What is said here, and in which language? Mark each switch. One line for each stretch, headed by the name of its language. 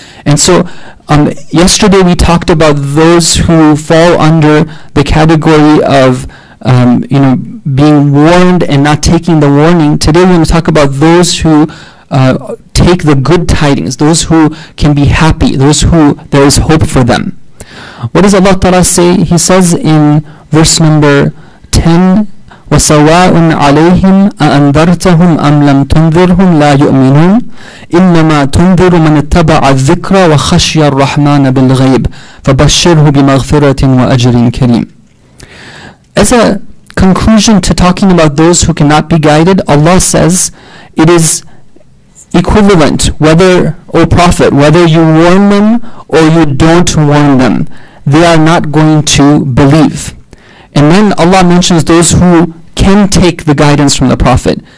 English: And so, yesterday we talked about those who fall under the category of being warned and not taking the warning. Today we're going to talk about those who take the good tidings, those who can be happy, those who there is hope for them. What does Allah Ta'ala say? He says in verse number 10,
Arabic: وَسَوَاءٌ عَلَيْهِمْ أَأَنذَرْتَهُمْ أَمْ لَمْ تُنذِرْهُمْ لَا يُؤْمِنُونَ إِنَّمَا تُنذِرُ مَنَ اتَّبَعَ الذِّكْرَ وَخَشْيَ الرَّحْمَنَ بِالْغَيْبِ فَبَشِّرْهُ بِمَغْفِرَةٍ وَأَجْرٍ كَرِيمٍ.
English: As a conclusion to talking about those who cannot be guided, Allah says, it is equivalent whether, O Prophet, whether you warn them or you don't warn them, they are not going to believe. And then Allah mentions those who can take the guidance from the Prophet.